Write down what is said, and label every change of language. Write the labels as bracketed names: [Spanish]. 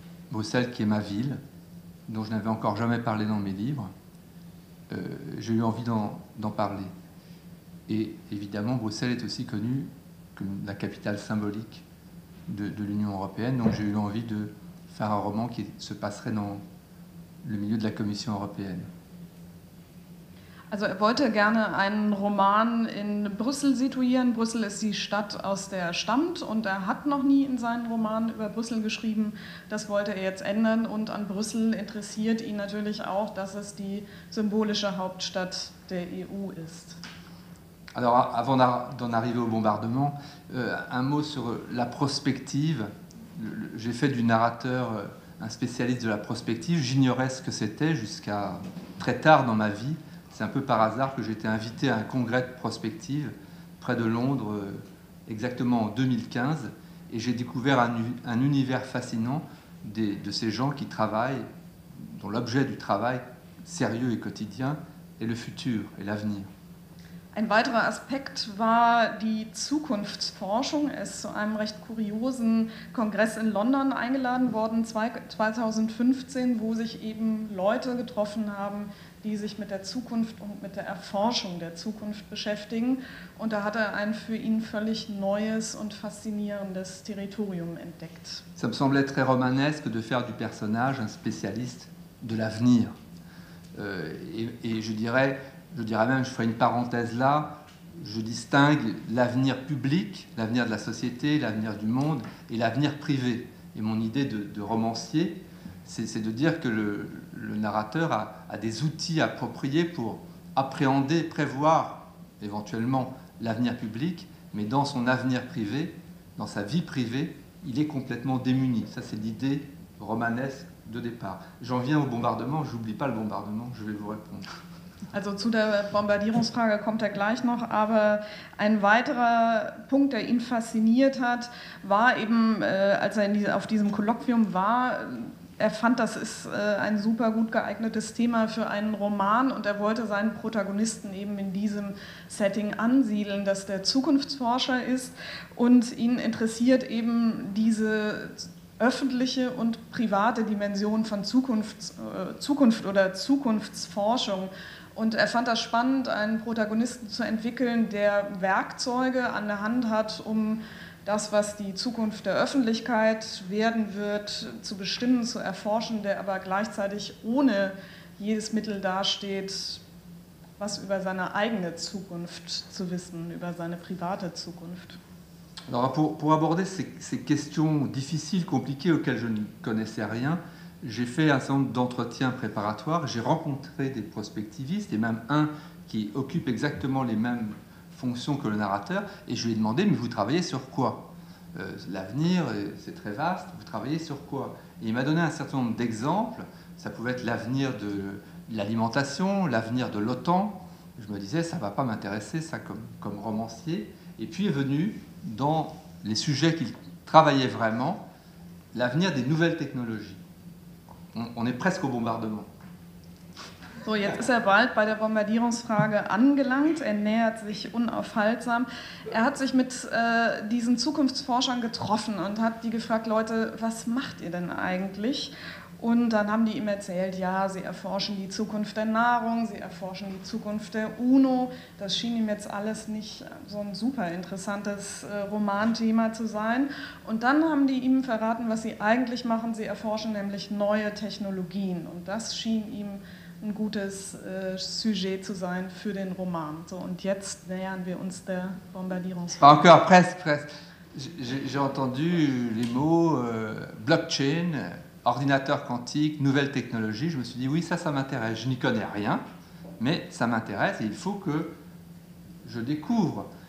[French] Bruxelles qui est ma ville, dont je n'avais encore jamais parlé dans mes livres, j'ai eu envie d'en parler. Et évidemment, Bruxelles est aussi connue comme la capitale symbolique de l'Union européenne, donc j'ai eu envie de faire un roman qui se passerait dans le milieu de la Commission européenne. [German] Also er wollte gerne einen Roman in Brüssel situieren. Brüssel ist die Stadt, aus der er stammt, und er hat noch nie in seinen Roman über Brüssel geschrieben. Das wollte er jetzt ändern, und an Brüssel interessiert ihn natürlich auch, dass es die symbolische Hauptstadt der EU ist. [French] Alors avant d'en arriver au bombardement, un mot sur la prospective. J'ai fait du narrateur un spécialiste de la prospective. J'ignorais ce que c'était jusqu'à très tard dans ma vie. C'est un peu par hasard que j'ai été invité à un congrès de prospective près de Londres, exactement en 2015. Et j'ai découvert un univers fascinant de ces gens qui travaillent, dont l'objet du travail sérieux et quotidien est le futur et l'avenir. [German] Ein weiterer Aspekt war die Zukunftsforschung. Er ist zu einem recht kuriosen Kongress in London eingeladen worden, 2015, wo sich eben Leute getroffen haben, die sich mit der Zukunft und mit der Erforschung der Zukunft beschäftigen. Und da hat er ein für ihn völlig neues und faszinierendes Territorium entdeckt. [French] Ça me semblait très romanesque de faire du personnage un spécialiste de l'avenir. Et je dirais même, je ferai une parenthèse là, je distingue l'avenir public, l'avenir de la société, l'avenir du monde et l'avenir privé. Et mon idée de romancier, c'est de dire que le narrateur a des outils appropriés pour appréhender, prévoir éventuellement l'avenir public, mais dans son avenir privé, dans sa vie privée, il est complètement démuni. Ça, c'est l'idée romanesque de départ. J'en viens au bombardement, j'oublie pas le bombardement, je vais vous répondre. [German] Also zu der Bombardierungsfrage kommt er gleich noch, aber ein weiterer Punkt, der ihn fasziniert hat, war eben, als er auf diesem Kolloquium war, er fand, das ist ein super gut geeignetes Thema für einen Roman, und er wollte seinen Protagonisten eben in diesem Setting ansiedeln, dass der Zukunftsforscher ist, und ihn interessiert eben diese öffentliche und private Dimension von Zukunft oder Zukunftsforschung. Und er fand das spannend, einen Protagonisten zu entwickeln, der Werkzeuge an der Hand hat, um das, was die Zukunft der Öffentlichkeit werden wird, zu bestimmen, zu erforschen, der aber gleichzeitig ohne jedes Mittel dasteht, was über seine eigene Zukunft zu wissen, über seine private Zukunft. [French] Alors pour aborder ces questions difficiles, compliquées, auxquelles je ne connaissais rien, j'ai fait un certain nombre d'entretiens préparatoires, j'ai rencontré des prospectivistes, et même un qui occupe exactement les mêmes fonctions que le narrateur, et je lui ai demandé, mais vous travaillez sur quoi ? L'avenir, c'est très vaste, vous travaillez sur quoi ? Et il m'a donné un certain nombre d'exemples, ça pouvait être l'avenir de l'alimentation, l'avenir de l'OTAN, je me disais, ça ne va pas m'intéresser, ça, comme romancier, et puis est venu, dans les sujets qu'il travaillait vraiment, l'avenir des nouvelles technologies. On est presque au bombardement. [German] So, jetzt ist er bald bei der Bombardierungsfrage angelangt. Er nähert sich unaufhaltsam. Er hat sich mit diesen Zukunftsforschern getroffen und hat die gefragt, Leute, was macht ihr denn eigentlich? Und dann haben die ihm erzählt, ja, sie erforschen die Zukunft der Nahrung, sie erforschen die Zukunft der UNO. Das schien ihm jetzt alles nicht so ein super interessantes Romanthema zu sein. Und dann haben die ihm verraten, was sie eigentlich machen. Sie erforschen nämlich neue Technologien. Und das schien ihm ein gutes Sujet zu sein für den Roman. So, und jetzt nähern wir uns der Bombardierungsfrage. [French] Encore, presse. J'ai entendu les mots Blockchain, ordinateur quantique, nouvelle technologie, je me suis dit oui, ça m'intéresse, je n'y connais rien, mais ça m'intéresse et il faut que je découvre.